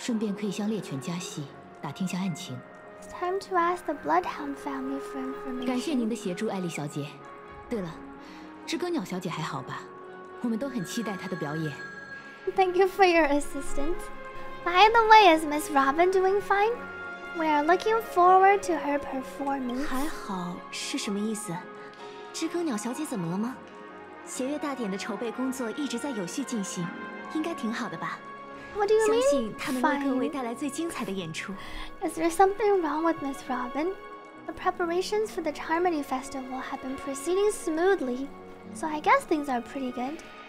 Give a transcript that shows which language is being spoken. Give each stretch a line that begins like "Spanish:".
Chinese: 看来这里是查不出什么了。至少我们知道了下一步该找谁。顺便可以向猎犬家系打听下案情。
English: Time to ask the Bloodhound family for information.
Chinese: 感谢您的协助，艾丽小姐。对了，知更鸟小姐还好吧？我们都很期待她的表演。
English: Thank you for your assistance. By the way, is Miss Robin doing fine? We are looking forward to her performance.
Chinese: 还好是什么意思？知更鸟小姐怎么了吗？协约大典的筹备工作一直在有序进行，应该挺好的吧？
English: What do you mean?
Chinese: 相信他们为各位带来最精彩的演出。
English: Is there something wrong with Miss Robin? The preparations for the Charmony Festival have been proceeding smoothly, so I guess things are pretty good.